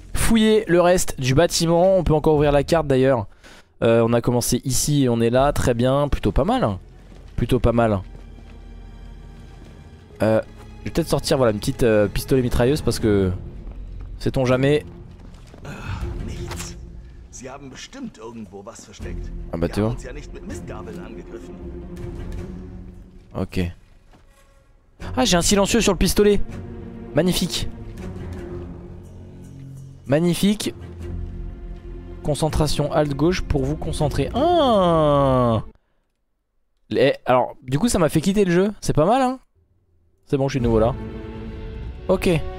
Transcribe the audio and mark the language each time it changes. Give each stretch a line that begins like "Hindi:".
French: Fouiller le reste du bâtiment. On peut encore ouvrir la carte d'ailleurs. On a commencé ici et on est là. Très bien. Plutôt pas mal. Plutôt pas mal. Je vais peut-être sortir voilà une petite pistolet mitrailleuse parce que. Sait-on jamais.
German: Sie haben bestimmt irgendwo was versteckt.
French: Ah bah,
German: wir haben uns ja nicht mit Mistgabeln angegriffen. Ok.
French: Ah, j'ai un silencieux sur le pistolet. Magnifique. Magnifique. Concentration alt gauche pour vous concentrer. Ah. Alors, du coup, ça m'a fait quitter le jeu. C'est pas mal, hein. C'est bon, je suis nouveau là. Ok.